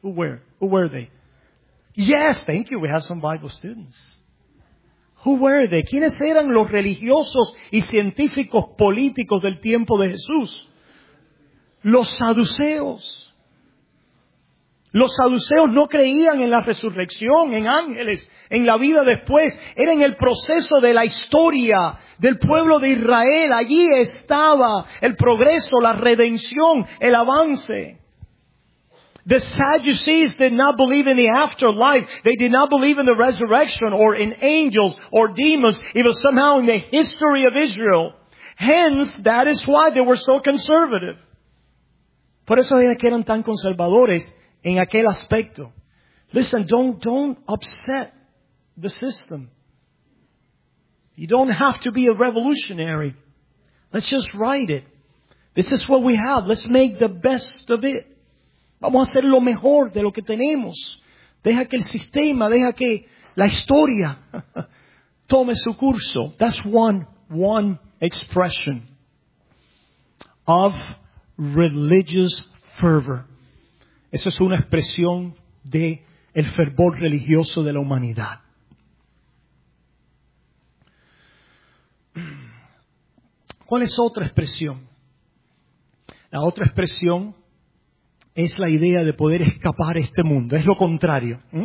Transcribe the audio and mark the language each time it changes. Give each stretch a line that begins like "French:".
English: Who were they? Yes, thank you. We have some Bible students. Who were they?
Spanish: ¿Quiénes eran los religiosos y científicos políticos del tiempo de Jesús? Los saduceos. Los saduceos no creían en la resurrección, en ángeles, en la vida después. Era en el proceso de la historia del pueblo de Israel. Allí estaba el progreso, la redención, el avance.
English: The Sadducees did not believe in the afterlife. They did not believe in the resurrection or in angels or demons. It was somehow in the history of Israel. Hence, that is why they were so conservative.
Spanish: Por eso eran tan conservadores en aquel aspecto.
English: Listen, don't upset the system. You don't have to be a revolutionary. Let's just write it. This is what we have. Let's make the best of it.
Spanish: Vamos a hacer lo mejor de lo que tenemos. Deja que el sistema, deja que la historia tome su curso.
English: That's one expression of religious fervor.
Spanish: Esa es una expresión de el fervor religioso de la humanidad. ¿Cuál es otra expresión? La otra expresión es la idea de poder escapar este mundo. Es lo contrario.